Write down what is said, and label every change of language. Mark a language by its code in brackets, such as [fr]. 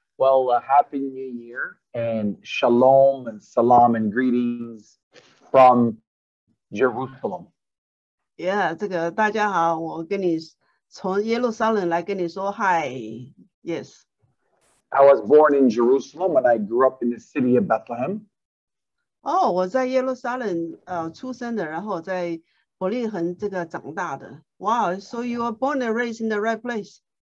[en] Well, happy New Year and shalom and salam and greetings from Jerusalem. [zh] Yeah, 这个大家好，我跟你从耶路撒冷来跟你说 hi. Yes, [en] I was born in Jerusalem and I grew up in the city of Bethlehem. [zh] Oh, 我在耶路撒冷出生的，然后在伯利恒这个长大的. [en] Wow, so you were born and raised in the right place.